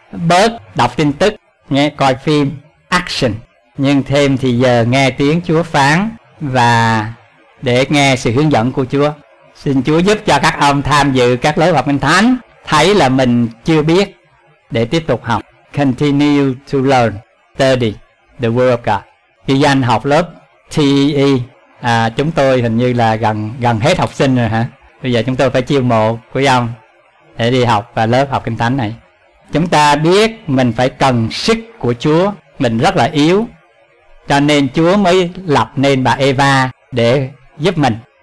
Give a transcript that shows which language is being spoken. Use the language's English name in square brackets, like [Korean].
[Vietnamese] Bớt đọc tin tức, nghe coi phim, action, nhưng thêm thì giờ nghe tiếng Chúa phán và để nghe sự hướng dẫn của Chúa. Xin Chúa giúp cho các ông tham dự các lớp học Kinh Thánh, thấy là mình chưa biết, để tiếp tục học. [English] Continue to learn, study the Word of God. [Vietnamese] Khi anh học lớp TE, chúng tôi hình như là gần hết học sinh rồi hả? Bây giờ chúng tôi phải chiêu mộ quý ông để đi học và lớp học Kinh Thánh này. Chúng ta biết mình phải cần sức của Chúa, mình rất là yếu, cho nên Chúa mới lập nên bà Eva để giúp mình.